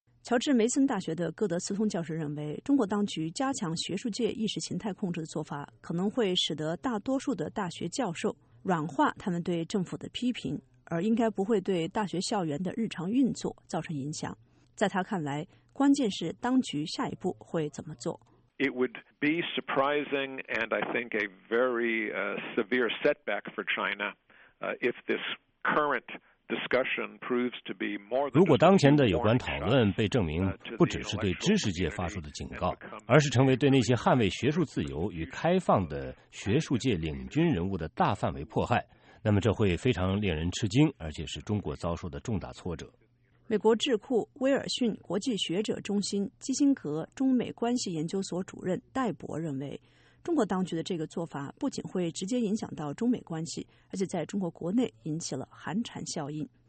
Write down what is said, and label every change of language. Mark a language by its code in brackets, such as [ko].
[zh] 乔治梅森大学的戈德斯通教授认为，中国当局加强学术界意识形态控制的做法可能会使得大多数的大学教授软化他们对政府的批评，而应该不会对大学校园的日常运作造成影响。在他看来，关键是当局下一步会怎么做。 [en] It would be surprising and I think a very severe setback for China if this current discussion proves to be more than. [zh] 如果当前的有关讨论被证明不只是对知识界发出的警告，而是成为对那些捍卫学术自由与开放的学术界领军人物的大范围迫害，那么这会非常令人吃惊，而且是中国遭受的重大挫折。美国智库威尔逊国际学者中心基辛格中美关系研究所主任戴博认为，中国当局的这个做法不仅会直接影响到中美关系，而且在中国国内引起了寒蝉效应。